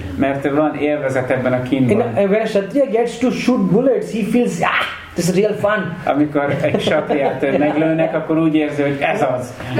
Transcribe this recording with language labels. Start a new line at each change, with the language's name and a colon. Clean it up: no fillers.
Hungarian: Mert van élvezet ebben a kínban.
English: When a kshatriya gets to shoot bullets, he feels, this is real fun.
Hungarian: Amikor egy kshatriyát meglőnek, akkor úgy érzi, hogy ez az.